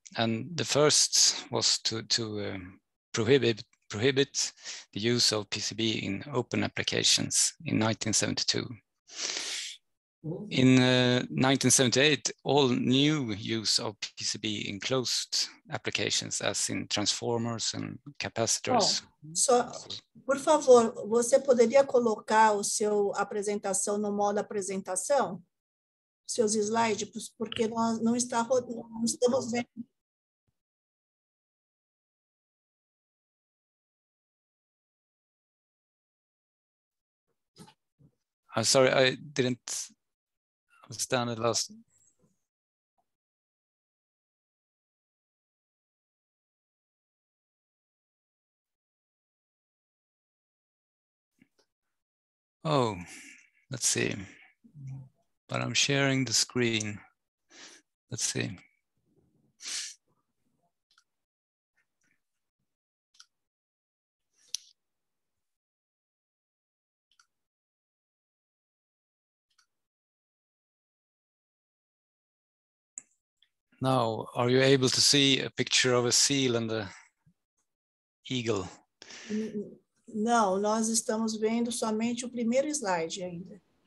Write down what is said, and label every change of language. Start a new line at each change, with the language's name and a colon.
English: And the first was to prohibit the use of PCB in open applications in 1972. In 1978, all new use of PCB in closed applications, as in transformers and capacitors.
Portuguese: Por favor, você poderia colocar o seu apresentação no modo apresentação? Seus slides, porque nós não estamos vendo.
English: I'm sorry, I didn't understand it last. Oh, let's see. But I'm sharing the screen. Let's see. Now, are you able to see a picture of a seal and a eagle?
Portuguese: Não, nós estamos vendo somente o primeiro slide ainda.